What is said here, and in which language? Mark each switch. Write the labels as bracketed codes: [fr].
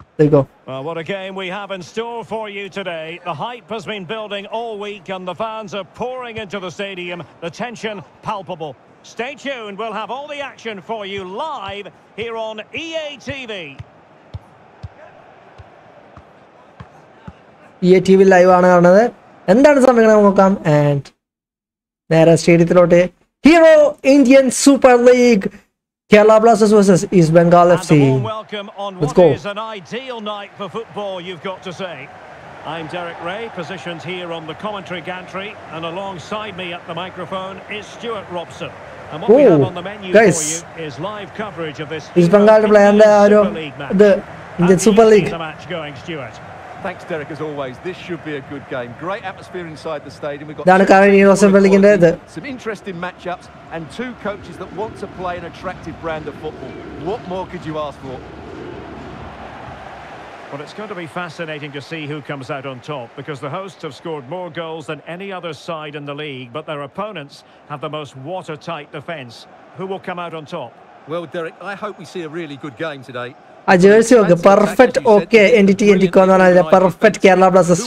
[en] Well, what a game we have in store for you today. The hype has been building all week and the fans are pouring into the stadium. The tension palpable. Stay tuned, we'll have all the action for you live here on EA TV. [ml] EA TV live ആണ് കാണുന്നത്. എന്താണ് സമയം നോക്കാം and നേരെ സ്റ്റേഡിയത്തിലോട്ട്. [en] Hero Indian super league, Kerala Blasters versus East Bengal FC. Welcome on what is an ideal night for football, you've got to say. I'm Derek Ray, positioned here on the commentary gantry, and alongside me at the microphone is Stuart Robson. And what we have on the menu for you is live coverage of this East Bengal play and the Indian Super League. The match going, Stuart. Thanks Derek, as always. This should be a good game. Great atmosphere inside the stadium. We've got Dan Karani and Rossen Belling there. Some interesting matchups and two coaches that want to play an attractive brand of football. What more could you ask for? But well, it's going to be fascinating to see who comes out on top, because the hosts have scored more goals than any other side in the league, but their opponents have the most watertight defense. Who will come out on top? Well Derek, I hope we see a really good game today. [ml] ആ jersey ഒക്കെ perfect. Okay, N D T N D കോ എന്ന് പറഞ്ഞാൽ perfect Kerala Blasters